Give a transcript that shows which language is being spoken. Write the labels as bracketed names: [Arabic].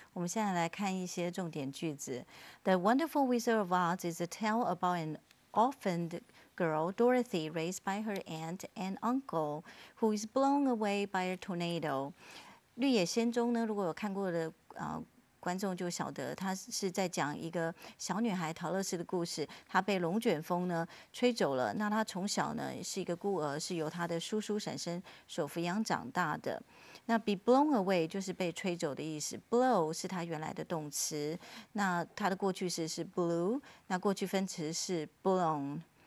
[Chinese] 我们现在来看一些重点句子。 [English] The Wonderful Wizard of Oz is a tale about an orphaned girl, Dorothy, raised by her aunt and uncle, who is blown away by a tornado. [Chinese] 绿野仙踪呢，如果有看过的观众就晓得他是在讲一个小女孩陶乐斯的故事，她被龙卷风呢吹走了，那她从小呢是一个孤儿，是由她的叔叔婶婶所抚养长大的。那 [English] be blown away [Chinese] 就是被吹走的意思， blow 是她原来的动词，那她的过去式是 blew， 那过去分词是 blown。